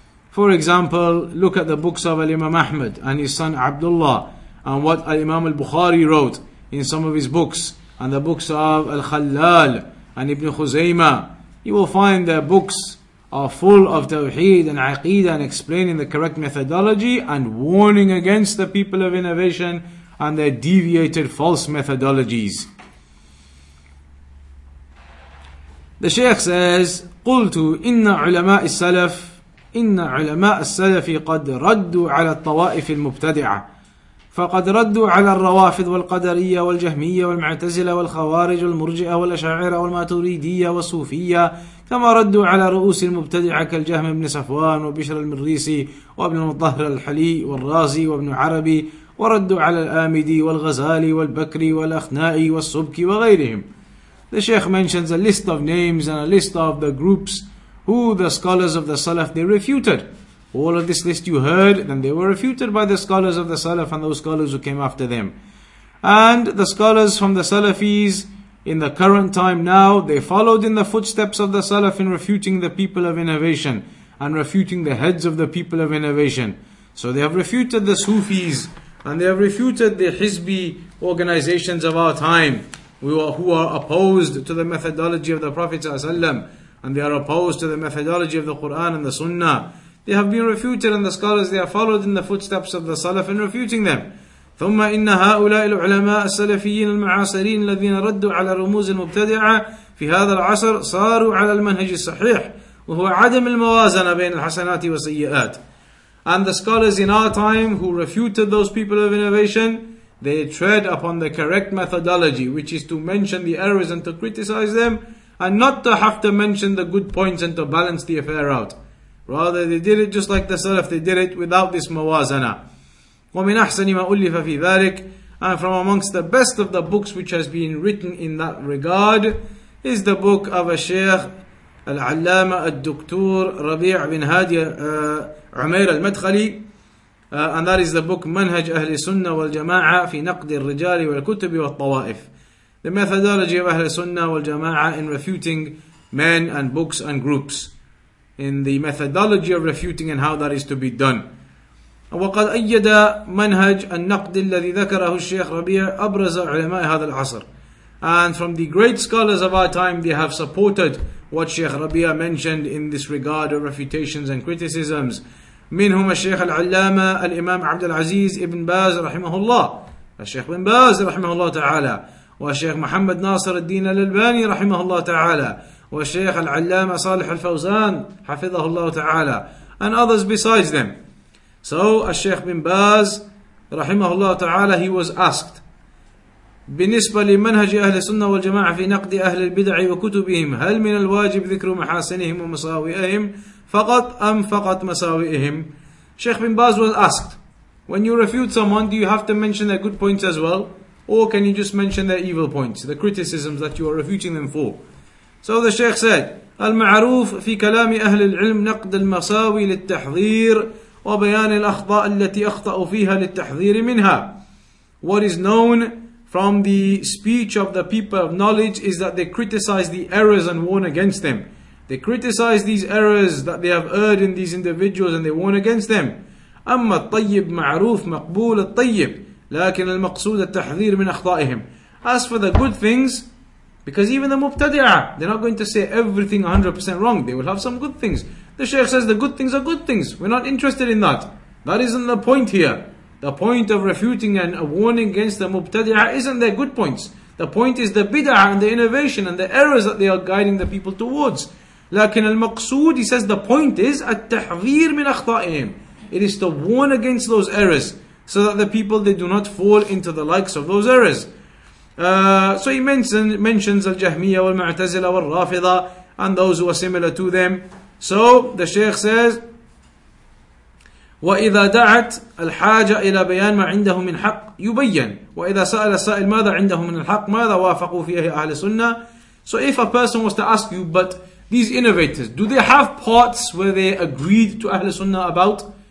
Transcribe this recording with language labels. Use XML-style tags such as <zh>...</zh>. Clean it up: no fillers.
<en>For example, look at the books of Al-Imam Ahmad and his son Abdullah, and what Al-Imam Al-Bukhari wrote in some of his books, and the books of Al-Khalal and Ibn Khuzaymah. You will find their books are full of Tawheed and Aqeedah and explaining the correct methodology and warning against the people of innovation and their deviated false methodologies. The Shaykh says,</en> <ar>قُلْتُ إِنَّ عُلَمَاءِ السَّلَفِ إِنَّ عُلَمَاءَ السَّلَفِ قَدْ رَدُّوا عَلَى الطَّوَائِفِ الْمُبْتَدِعَةِ فَقَدْ رَدُّوا عَلَى الرَّوَافِضِ وَالْقَدَرِيَّةِ وَالْجَهْمِيَّةِ وَالْمُعْتَزِلَةِ وَالْخَوَارِجِ وَالْمُرْجِئَةِ وَالْأَشَاعِرَةِ وَالْمَاتُرِيدِيَّةِ وَالصُّوفِيَّةِ كما ردوا على رؤوس المبتدعة كالجهم بن صفوان وبشر المريسي وابن مطهر الحلي والرازي وابن عربي وردوا على الآمدي والغزالي والبكري والأخنائي والصبكي وغيرهم.</ar> <en>The Shaykh mentions a list of names and a list of the groups who the scholars of the Salaf they refuted. All of this list you heard, then they were refuted by the scholars of the Salaf and those scholars who came after them. And the scholars from the Salafis in the current time now, they followed in the footsteps of the Salaf in refuting the people of innovation and refuting the heads of the people of innovation. So they have refuted the Sufis and they have refuted the Hizbi organizations of our time who are opposed to the methodology of the Prophet ﷺ and they are opposed to the methodology of the Quran and the Sunnah. They have been refuted and the scholars, they have followed in the footsteps of the Salaf in refuting them.</en> <ar>ثم إن هؤلاء العلماء السلفيين المعاصرين الذين ردوا على رموز المبتدعة في هذا العصر صاروا على المنهج الصحيح وهو عدم الموازنة بين الحسنات والسيئات.</ar> <en>And the scholars in our time who refuted those people of innovation, they tread upon the correct methodology, which is to mention the errors and to criticize them, and not to have to mention the good points and to balance the affair out. Rather, they did it just like the Salaf, they did it without this موازنه.</en> <ar>وَمِنْ أَحْسَنِ مَا أُلِّفَ فِي ذَلِكَ.</ar> <en>And from amongst the best of the books which has been written in that regard is the book of a Shaykh, Al-Allama Al-Doktor Rabi' bin Hadi Umair Al-Madkhali. And that is the book Manhaj Ahli Sunnah Wal-Jama'a Fi Naqdi Al-Rijali Wal-Kutubi Wal-Tawa'if. The methodology of Ahli Sunnah Wal-Jama'a in refuting men and books and groups. In the methodology of refuting and how that is to be done.</en> <ar>وقد أيد منهج النقد الذي ذكره الشيخ ربيع أبرز علماء هذا العصر.</ar> <en>And from the great scholars of our time, they have supported what Sheikh Rabia mentioned in this regard of refutations and criticisms.</en> <ar>منهم الشيخ العلامة الإمام عبد العزيز ابن باز رحمه الله. الشيخ بن باز رحمه الله تعالى. والشيخ محمد ناصر الدين الألباني رحمه الله تعالى. والشيخ العلامة صالح الفوزان حفظه الله تعالى.</ar> <en>And others besides them. So, al-Shaykh bin Baz, rahimahullah ta'ala, he was asked,</en> <ar>بِنِسْبَ لِمَنْهَجِ أَهْلِ سُنَّةِ وَالْجَمَاعَةِ فِي نَقْدِ أَهْلِ الْبِدْعِ وَكُتُبِهِمْ هَلْ مِنَ الْوَاجِبِ ذِكْرُ مَحَاسِنِهِمْ وَمَسَاوِئِهِمْ فَقَطْ أَمْ فَقَطْ مَسَاوِئِهِمْ.</ar> <en>Shaykh bin Baz was asked, when you refute someone, do you have to mention their good points as well? Or can you just mention their evil points, the criticisms that you are refuting them for? So the Shaykh said,</en> <ar>المعروف في كلام أهل العلم نقد المساوي للتحذير وبيان الأخطاء التي أخطأوا فيها للتحذير منها.</ar> <en>What is known from the speech of the people of knowledge is that they criticize the errors and warn against them. They criticize these errors that they have erred in these individuals and they warn against them.</en> <ar>أما الطيب معروف مقبول الطيب لكن المقصود التحذير من أخطائهم.</ar> <en>As for the good things, Because even the mubtadi'ah, they're not going to say everything 100% wrong. They will have some good things. The Shaykh says the good things are good things. We're not interested in that. That isn't the point here. The point of refuting and a warning against the mubtadi'ah isn't their good points. The point is the bid'ah and the innovation and the errors that they are guiding the people towards.</en> <ar>لكن المقصود,</ar> <en>he says, the point is</en> <ar>التحذير من أخطائهم.</ar> <en>It is to warn against those errors so that the people, they do not fall into the likes of those errors. So he mentions al-Jahmiyyah wal-Mu'tazila wal-Rafida and those who are similar to them. So the Shaykh says,</en> <ar>وَإِذَا دَعَتْ الْحَاجَ إِلَى بَيَانْ مَا عِنْدَهُمْ مِنْ حَقٍّ يُبَيَّنْ وَإِذَا سَأَلَ السَّائِلْ مَاذَا عِنْدَهُمْ مِنْ حَقٍّ مَاذَا وَافَقُوا فِيهِ أَهْلِ سُنَّةِ.</ar> <en>So if a person was to ask you, but these innovators, do they have parts where they agreed to Ahl Sunnah about?</en>